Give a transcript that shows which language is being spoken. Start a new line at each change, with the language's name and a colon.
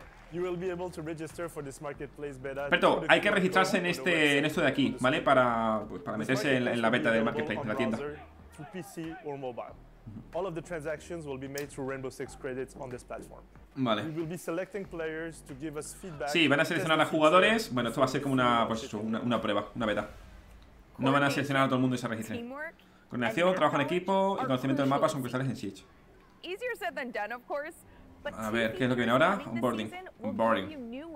English: You will be able to register for this marketplace beta.
Spanish: Pero hay que registrarse en este esto de aquí, ¿vale? Para pues, para meterse en la beta del marketplace, en la tienda.
English: PC or mobile. All of the transactions will be made through Rainbow Six credits on this platform.
Spanish: Vale.
English: We will be selecting players to give us feedback.
Spanish: Sí, van a seleccionar a jugadores. Bueno, esto va a ser como una, pues eso, una prueba, una beta. No van a seleccionar a todo el mundo y se registren. Coordinación, trabajo en equipo y conocimiento del mapa son cruciales en Siege.
English: Easier said than done, of course.
Spanish: A ver, ¿qué es lo que viene ahora? Onboarding. Onboarding.